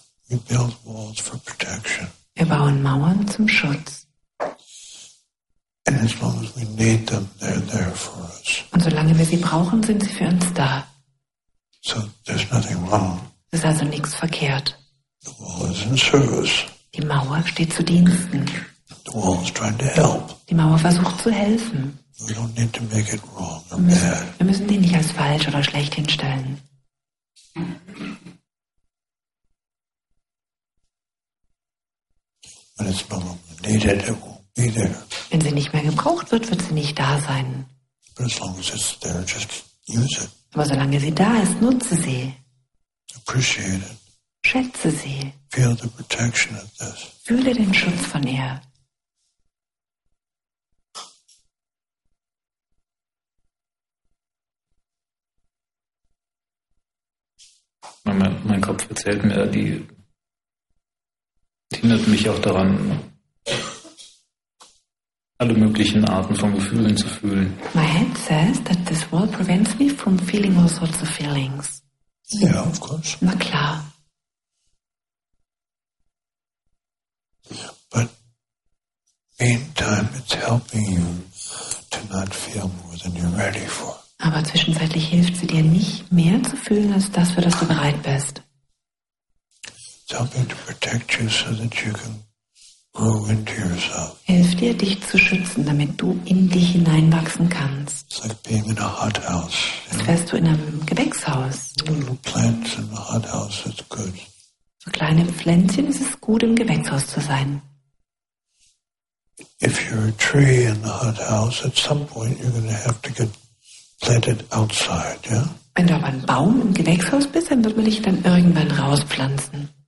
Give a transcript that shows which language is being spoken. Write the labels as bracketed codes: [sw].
[en] We build walls for protection. [de] Wir bauen Mauern zum Schutz. [en] And as long as we need them, they're there for us. [de] Und solange wir sie brauchen, sind sie für uns da. [en] So there's nothing wrong. [de] Es ist also nichts verkehrt. [en] The wall is in service. [de] Die Mauer steht zu Diensten. [en] The wall is trying to help. [de] Die Mauer versucht zu helfen. [en] We don't need to make it wrong or bad. [de] Wir müssen die nicht als falsch oder schlecht hinstellen. Wenn sie nicht mehr gebraucht wird, wird sie nicht da sein. Aber solange sie da ist, nutze sie. [en] Appreciate it. [de] Schätze sie. [en] Feel the protection of this. [de] Fühle den Schutz von ihr. Mein Kopf erzählt mir, die hindert mich auch daran, alle möglichen Arten von Gefühlen zu fühlen. [en] My head says that this wall prevents me from feeling all sorts of feelings. Yeah, of course. [de] Na klar. [en] But meantime, it's helping you to not feel more than you're ready for. [de] Aber zwischenzeitlich hilft sie dir nicht mehr zu fühlen, als das, für das du bereit bist. [en] It's helping to protect you so that you can grow into yourself. [de] Hilft dir, dich zu schützen, damit du in dich hineinwachsen kannst. [en] It's like being in a hot house. [de] Als wärst du in einem Gewächshaus. [en] Little plants in a hot house, it's good. [de] So kleine Pflänzchen, es ist gut, im Gewächshaus zu sein. [en] If you're a tree in the hot house, at some point you're going to have to get planted outside, yeah? [de] Wenn du aber ein Baum im Gewächshaus bist, dann wird man dich dann irgendwann rauspflanzen.